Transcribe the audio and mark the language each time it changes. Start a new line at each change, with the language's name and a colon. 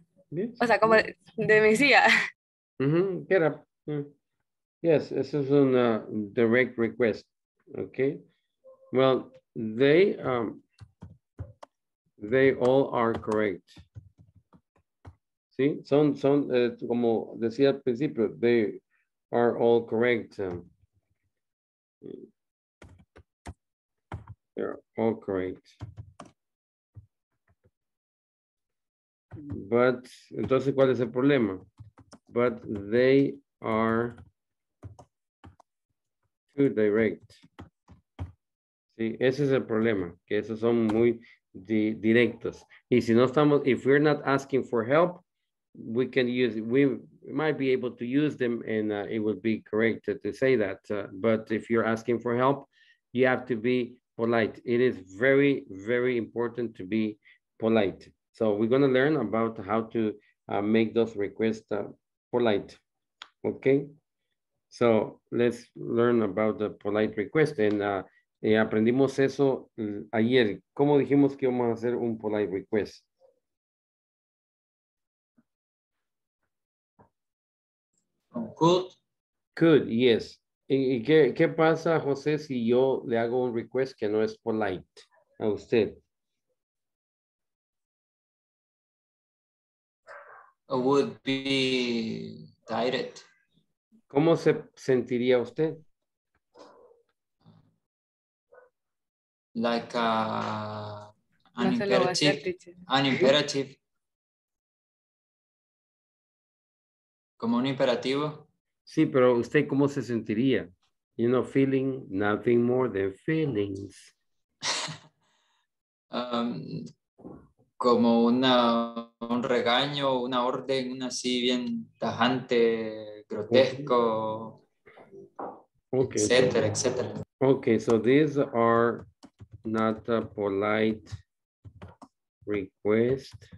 Spanish: Yes. O sea, como de mi silla.
English: Get up. Yes, this is a direct request. Okay. Well, they all are correct.
Spanish: Sí, son como decía al principio,
English: they are all correct. They're all correct. But,
Spanish: entonces, ¿cuál es el problema?
English: But they are too direct.
Spanish: Sí, ese es el problema, que esos son muy directos. Y si no estamos,
English: if we're not asking for help, we can use, we might be able to use them and it would be correct to say that. But if you're asking for help, you have to be polite. It is very, very important to be polite. So we're going to learn about how to make those requests polite. Okay. So let's learn about the polite request.
Spanish: And aprendimos eso ayer. ¿Cómo dijimos que vamos a hacer un polite request?
English: Could. Could, yes.
Spanish: ¿Y qué pasa, José, si yo le hago un request que no es polite a usted?
English: Would be direct.
Spanish: ¿Cómo se sentiría usted?
English: Like an imperative. An imperative.
Spanish: Como un imperativo. Sí, pero usted, ¿cómo se sentiría?
English: You know, feeling nothing more than feelings.
Spanish: Como un regaño, una orden, una así bien tajante, grotesco, okay. Etcétera, etcétera.
English: Okay, so these are not a polite request.